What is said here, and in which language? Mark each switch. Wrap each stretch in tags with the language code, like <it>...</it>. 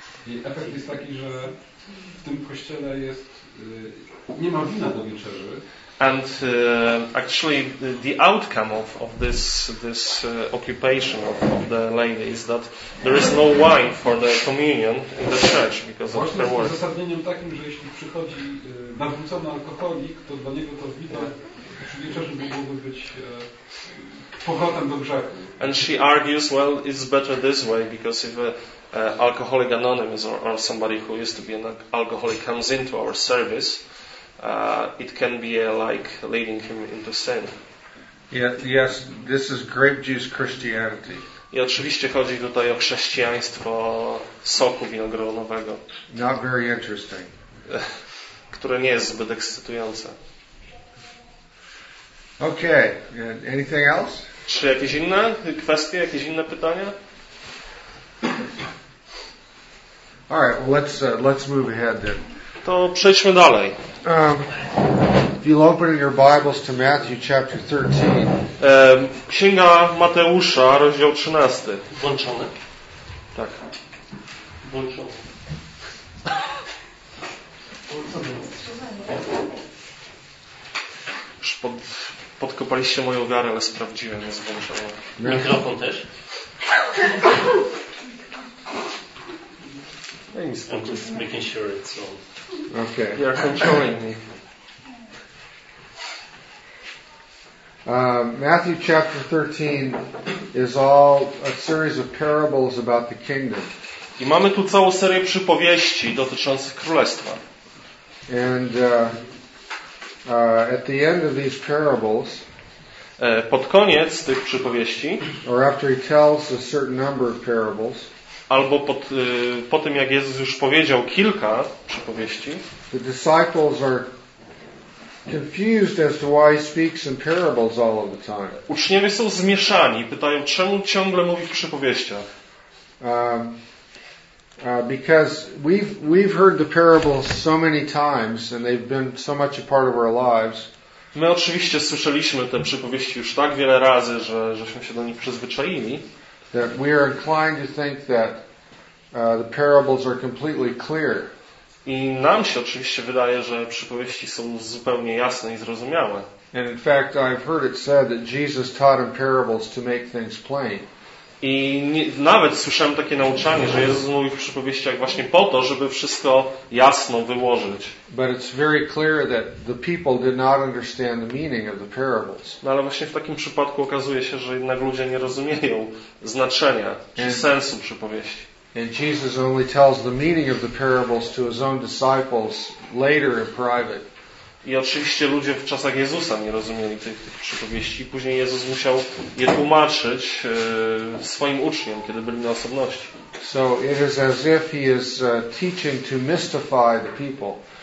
<pl>I efekt jest taki, że w tym kościele jest nie ma wina do wieczerzy.</pl> <en>And actually the outcome of this occupation of the lady is that there is no wine for the communion in the church because of her work.</en> <pl>Zasadnieniem takim, że jeśli przychodzi nawrócony alkoholik, to dla niego to wino przy wieczerzy mogłoby być powrotem do grzechu.</pl> <en>And she argues, well, it's better this way because if Alcoholic Anonymous or somebody who used to be an alcoholic comes into our service, it can be like leading him into sin. Yes, this is grape juice Christianity.</en> <pl>I oczywiście chodzi tutaj o chrześcijaństwo soku winogronowego.</pl> <en>Not very interesting.</en> <pl>Które nie jest zbyt ekscytujące.</pl> <en>Okay, anything else?</en> <pl>Czy jakieś inne kwestie, jakieś inne pytania?</pl> <en>All right, well, let's move ahead then.</en> <pl>To przejdźmy dalej.</pl> <en>If you'll open your Bibles to Matthew chapter 13.</en> <pl>Księga Mateusza, rozdział 13. Włączony. Tak. Włączony. Już podkopaliście moją wiarę, ale sprawdziłem, jest włączony. Mikrofon też?</pl> <en>I'm just making sure it's on. Okay. You are controlling me. Matthew chapter 13 is all a series of parables about the kingdom.</en> <pl>I mamy tu całą serię przypowieści dotyczących królestwa.</pl> <en>And at the end of these parables,</en> <pl>pod koniec tych przypowieści,</pl> <en>or after he tells a certain number of parables,</en> <pl>albo po tym, jak Jezus już powiedział kilka przypowieści,</pl> <en>the disciples are confused as to why he speaks in parables all of the time.</en> <pl>Uczniowie są zmieszani, pytają, czemu ciągle mówi w przypowieściach.</pl> <en>Because we've heard the parables so many times and they've been so much a part of our lives.</en> <pl>My oczywiście słyszeliśmy te przypowieści już tak wiele razy, że żeśmy się do nich przyzwyczaili.</pl> <en>That we are inclined to think that the parables are completely clear.</en> <pl>I nam się oczywiście wydaje, że przypowieści są zupełnie jasne i zrozumiałe.</pl> <en>And in fact, I've heard it said that Jesus taught in parables to make things plain.</en> <pl>I nawet słyszałem takie nauczanie, że Jezus mówi w przypowieściach właśnie po to, żeby wszystko jasno wyłożyć.</pl> <en>But it's very clear that the people did not understand the meaning of the parables.</en> <pl>No, ale właśnie w takim przypadku okazuje się, że jednak ludzie nie rozumieją znaczenia czy sensu przypowieści.</pl> <en>And Jesus only tells the meaning of the parables to his own disciples later in private.</en> <pl>I oczywiście ludzie w czasach Jezusa nie rozumieli tych przypowieści. Później Jezus musiał je tłumaczyć swoim uczniom, kiedy byli na osobności.</pl> <en>So it is as if he is teaching to mystify the people.</en>